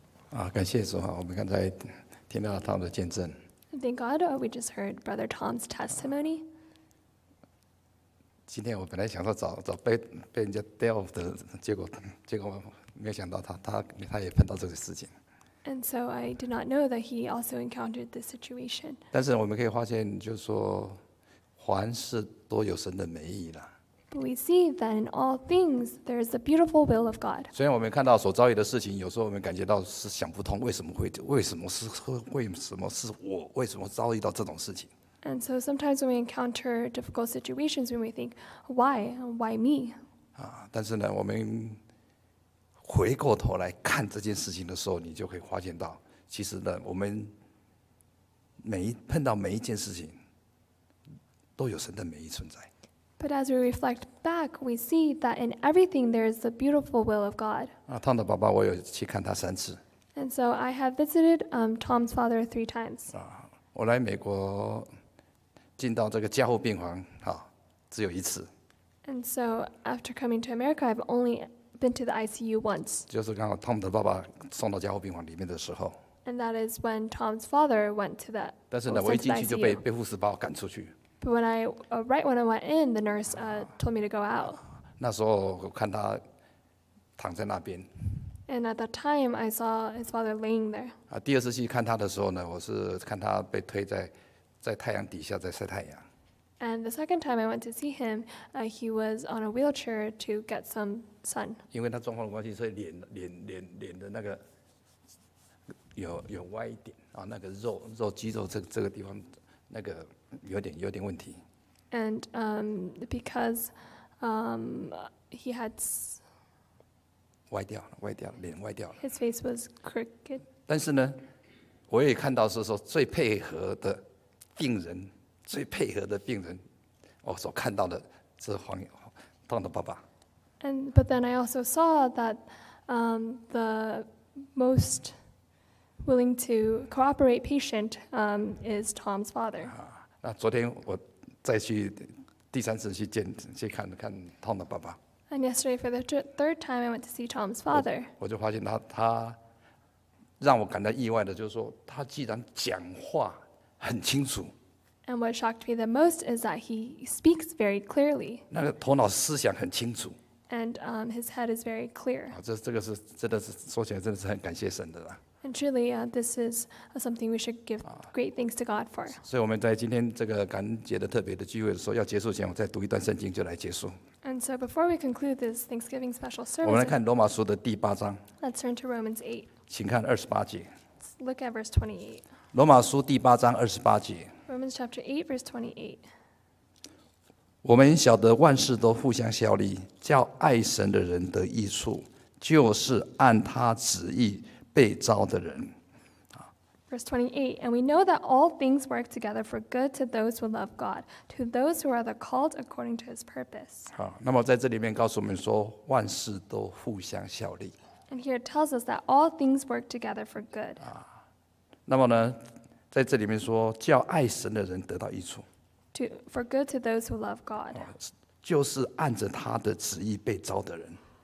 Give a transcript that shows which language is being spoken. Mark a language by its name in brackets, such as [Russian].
[Chinese] Ah, 感谢主啊！我们刚才听到他们的见证。 [English] Thank God, we just heard Brother Tom's testimony. [Chinese] 今天我本来想说找被人家 delve 的，结果没有想到他也碰到这个事情。 [English] And so I did not know that he also encountered this situation. [Chinese] 但是我们可以发现，就是说，凡事都有神的美意了。 [English] But we see that in all things there is the beautiful will of God. [Chinese] 虽然我们看到所遭遇的事情，有时候我们感觉到是想不通，为什么遭遇到这种事情。 [English] And so sometimes when we encounter difficult situations, we may think, why me? [Chinese] 但是呢，我们回过头来看这件事情的时候，你就可以发现到，其实呢，我们碰到每一件事情，都有神的美意存在。 [English] But as we reflect back, we see that in everything there is the beautiful will of God. [Chinese] 汤的爸爸，我有去看他三次。 [English] And so I have visited Tom's father 3 times. [Chinese] 我来美国。进到这个加护病房，只有一次。 [English] And so after coming to America, I've only been to the ICU once. [Chinese] 就是刚好 Tom 的爸爸送到加护病房里面的时候。 [English] And that is when Tom's father went to the. [Chinese] 但是呢，我一进去就被护士把我赶出去。 [English] But when I right when I went in, the nurse told me to go out. [Chinese] 那时候我看他躺在那边。 [English] And at that time, I saw his father laying there. [Chinese] 第二次去看他的时候呢，我是看他被推在太阳底下在晒太阳。 [English] And the second time I went to see him, he was on a wheelchair to get some sun. [Chinese] 因为他状况的关系，所以脸的那个有歪一点啊，那个肉肌肉这个地方那个有点问题。 [English] And because he had [Chinese] 歪掉脸歪掉了。 [English] His face was crooked. [Chinese] 但是呢，我也看到是说最配合的。病人最配合的病人，我所看到的是黄汤的爸爸。 [English] And but then I also saw that, the most willing to cooperate patient, is Tom's father. [Chinese] 那昨天我再去第三次去看看汤的爸爸。 [English] And yesterday for the third time I went to see Tom's father. [Chinese] 我就发现他让我感到意外的就是说，他既然讲话。很清楚。 [English] And what shocked me the most is that he speaks very clearly. [Chinese] 那个头脑思想很清楚。 [English] And his head is very clear. [Chinese] 这个是真的是说起来真的是很感谢神的啦。 [English] And truly, this is something we should give great thanks to God for. [Chinese] 所以我们在今天这个感恩节的特别的聚会的时候，要结束前，我再读一段圣经就来结束。 [English] And so before we conclude this Thanksgiving special service, [Chinese] 我们来看罗马书的第八章。 [English] Let's turn to Romans 8. [Chinese] 请看二十八节。 [English] Look at verse 28. [Chinese] 罗马书第八章二十八节。 [English] Romans chapter 8, verse 28. [Chinese] 我们晓得万事都互相效力，叫爱神的人得益处，就是按他旨意。被召的人 [English] Verse 28, and we know that all things work together for good to those who love God, to those who are the called according to his purpose. [Chinese] 好，那么在这里面告诉我们说，万事都互相效力。 [English] And here it tells us that all things work together for good. [Chinese] 那么呢，在这里面说，叫爱神的人得到益处。 [English] For good to those who love God. [Chinese] 就是按着他的旨意被召的人。